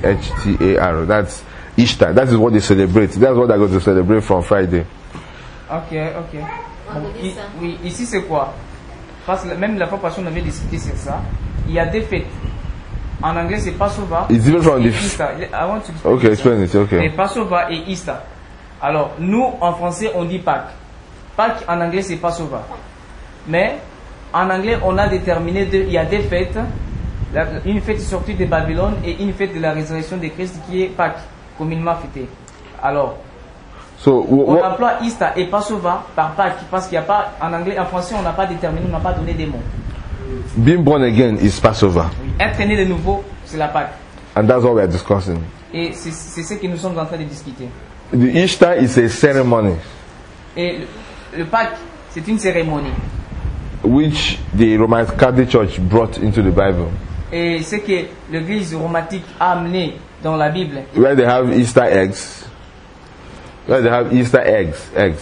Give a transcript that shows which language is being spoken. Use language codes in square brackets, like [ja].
[en] H-T-A-R. That's Easter. That is what they celebrate. That's what they're going to celebrate from Friday. Okay, okay. [fr] Oui, ici c'est quoi? Parce que même la population avait discuté sur ça. Il y a des fêtes. En anglais, c'est Passover. [en] It's even from the Easter. I want to explain. Okay, explain it. Okay. [fr] Mais Passover et Easter. Alors, nous en français, on dit Pâques. Pâques en anglais, c'est Passover. Mais en anglais, on a déterminé deux. Il y a des fêtes. Une fête sortie de Babylone et une fête de la résurrection de Christ qui est Pâques, communément fêtée. Alors. [en] So, [fr] on emploie Easter et Passover par Pâques parce qu'il n'y a pas, en anglais, en français, on n'a pas déterminé, on n'a pas donné des mots. [en] Being born again is Passover. [fr] Être né de nouveau, c'est la Pâques. [en] And that's what we are discussing. [fr] Et c'est ce que nous sommes en train de discuter. [en] The Easter is a ceremony. [fr] Et le Pâques, c'est une cérémonie. [en] Which the Roman Catholic Church brought into the Bible. [fr] Et ce que l'Église romantique a amené dans la Bible. [en] Where they have Easter eggs. Là, they have Easter eggs, eggs.